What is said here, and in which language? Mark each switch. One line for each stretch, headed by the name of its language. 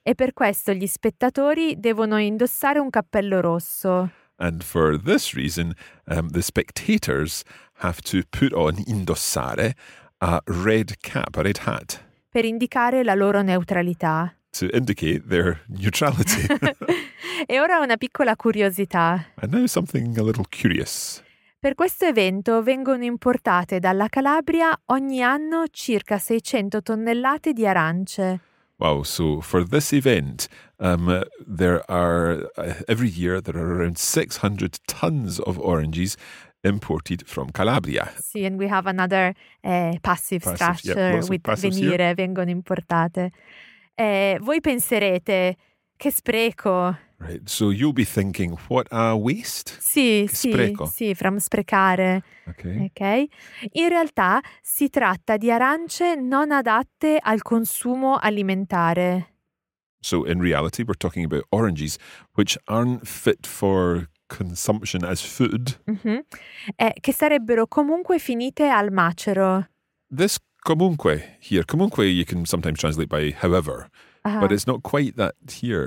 Italian: E per questo gli spettatori devono indossare un cappello rosso.
English: And for this reason, the spectators have to put on, indossare, a red cap, a red hat.
Italian: Per indicare la loro neutralità.
English: To indicate their neutrality.
Italian: E ora una piccola curiosità.
English: And now something a little curious.
Italian: Per questo evento vengono importate dalla Calabria ogni anno circa 600 tonnellate di arance.
English: Wow, so for this event, there are, every year, there are around 600 tons of oranges imported from Calabria. Sì, and we have another passive structure, yeah, with venire, here.
Italian: Vengono importate. Voi penserete, che spreco!
English: Right, so you'll be thinking, what a waste?
Italian: Sì, sì, spreco.
English: Sì, from sprecare. Okay. Okay.
Italian: In realtà si tratta di arance non adatte al consumo alimentare.
English: So in reality we're talking about oranges which aren't fit for consumption as food,
Italian: mm-hmm. Che sarebbero comunque finite al macero.
English: This comunque here, comunque you can sometimes translate by however, uh-huh. but it's not quite that here.